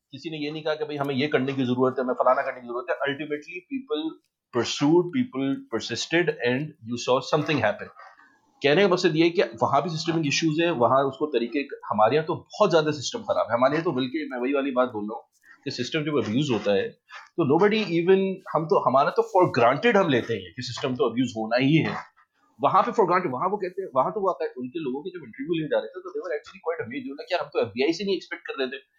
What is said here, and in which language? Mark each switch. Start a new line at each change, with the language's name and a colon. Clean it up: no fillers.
Urdu: کسی نے یہ نہیں کہا کہ بھئی ہمیں یہ کرنے کی ضرورت ہے, ہمیں فلانا کرنے کی ضرورت ہے.
English: Ultimately, people pursued, people persisted, and you saw something happen.
Urdu: کہنے کا مقصد یہ ہے کہ وہاں بھی سسٹمنگ ایشوز ہیں, وہاں اس کو طریقے, ہمارے یہاں تو بہت زیادہ سسٹم خراب ہے. ہمارے یہاں تو بلکہ میں وہی والی بات بول رہا ہوں کہ سسٹم جب ابیوز ہوتا ہے تو
English: nobody even,
Urdu: ہم تو ہمارا تو فار گرانٹیڈ ہم لیتے ہیں کہ سسٹم تو ابیوز ہونا ہی ہے. وہاں پہ فار گرانٹیڈ, وہاں وہ کہتے ہیں, وہاں تو وہ آتا ہے ان کے لوگوں کے جب انٹرویو لے جا رہے تھے تو
English: دیور actually quite amazed
Urdu: ہو رہا کہ ہم تو ایف بی آئی سے نہیں ایکسپیکٹ کر رہے تھے.